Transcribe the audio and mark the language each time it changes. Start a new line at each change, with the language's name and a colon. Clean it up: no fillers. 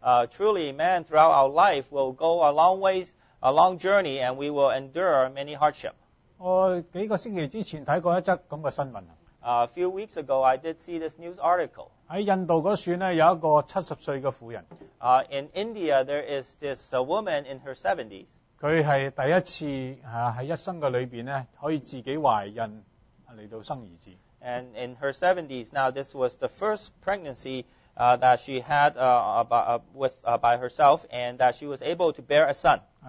English: Truly, man throughout our life will go a long ways, a long journey, and we will endure many hardship. A few weeks ago, I did see this news article. In India, there is this woman in her 70s.
Chinese: 她是第一次在一生的里面可以自己怀孕来到生儿子。
English: And in her 70s, now this was the first pregnancy that she had by herself, and that she was able to bear a son.